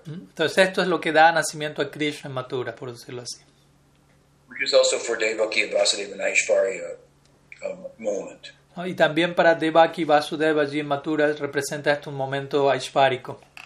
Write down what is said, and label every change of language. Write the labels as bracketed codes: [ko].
[es] Entonces esto es lo que da nacimiento a Krishna en Mathura, por decirlo así. [en] Which is also for Devaki and Vasudeva and Aishvarya a moment. [es] ¿No? Y también para Devaki y Vasudeva allí en Mathura representa esto un momento aishvárico.